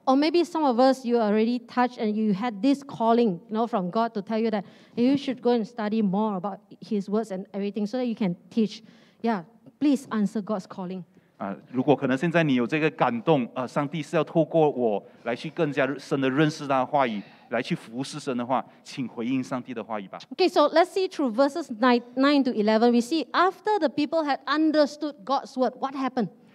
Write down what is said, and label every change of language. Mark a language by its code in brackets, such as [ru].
[en] Or maybe some of us, you already touched and you had this calling, you know, from God to tell you that you should go and study more about His words and everything so that you can teach. Yeah, please answer God's calling. [zh] 如果可能现在你有这个感动，上帝是要透过我来去更加深的认识他的话语，来去服侍神的话，请回应上帝的话语吧。 [en] Okay, so let's see through verses 9 to 11. We see after the people had understood God's word, what happened?